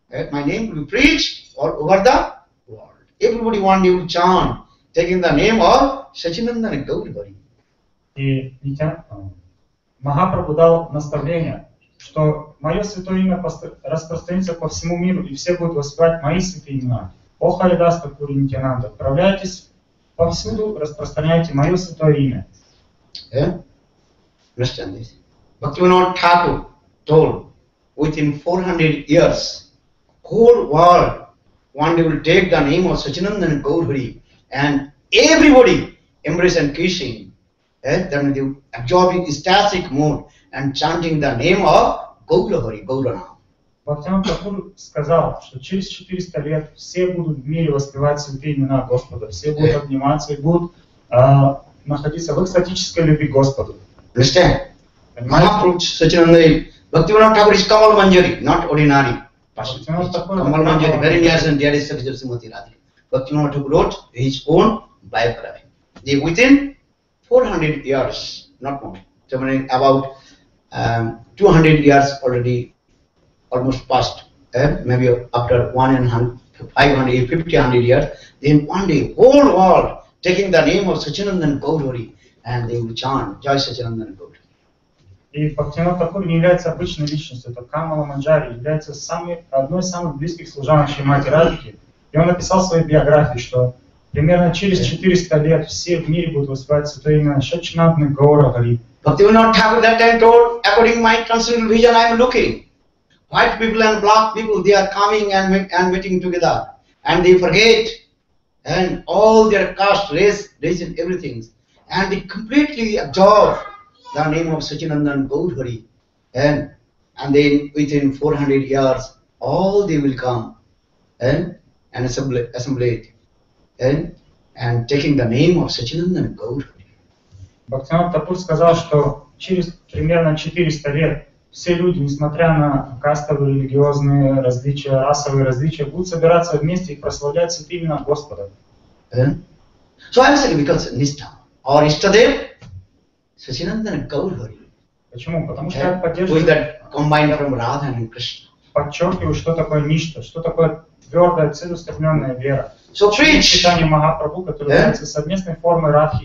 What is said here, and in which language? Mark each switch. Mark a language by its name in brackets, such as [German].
[English] My name will be preached all over the world. Everybody want you to chant, taking the name of Sachinandana Gauri Bari. [Russian] И Витя, Махапрабху дал наставление, что мое святое имя распространится по всему миру, и все будут воспевать мои святые имена. О Харидаста Пури Нитянанда, отправляйтесь повсюду, распространяйте мое святое имя. [English] Understand this. Bhaktivinoda Thakur told within 400 years, whole world, one will take the name of Sachinandana Gaurhari and everybody embrace and kissing, then they will absorb in ecstatic mood and chanting the name of Gaurhari, Gaurana. [Russian] Bhaktivinoda Thakur сказал, что через 400 лет все будут в мире воспевать святые имена Господа, все будут обниматься и будут находиться в экстатической любви к Господу. [English] Understand? Mahaprabhu Sachinanda Bhaktivinoda Thakur is Kamal Manjari, not ordinary person. Kamal Manjari, very near and dear is Sri Srimati Radhika. Bhaktivinoda Thakur wrote his own biography. They within 400 years, not more, so about 200 years already almost passed, maybe after 500 years, then one day, whole world taking the name of Sachinandana Gaurhari and they will chant, Jai Sachinandana Gaurhari. [Russian] И Бхактивинода Тхакур не является обычной личностью, это Камала Манджари, является одной из самых близких служанок Шри Мати Радхики. И он написал в своей биографии, что примерно через 400 лет все в мире будут воспевать святое имя Шачинадны Гаурахари. [English] Бхактивинода Тхакур that time told, according to my transcendental vision, I am looking. White people and black people, they are coming and meeting together. And they forget and all their caste, race, religion, everything. And they completely absorb the name of Sachinandan Gaurhari, and then within 400 years, all they will come and assemble and taking the name of Sachinandan Gaurhari. [Russian] Bhaktivinoda Thakur сказал, что через примерно 400 лет все люди, несмотря на кастовые, религиозные различия, расовые различия, будут собираться вместе и прославлять святые имена Господа. [English] So I'm saying because Nista or Ishtadev, Sachinandana Gaurhari. [Russian] Почему? Потому что я поддерживаю. [English] Who is that combined from Radha and Krishna? [Russian] Подчеркиваю, что такое ништа, что такое твердая, целеустремленная вера. [English] So preach. [Russian] Читание Махапрабху, которое является совместной формой Радхи.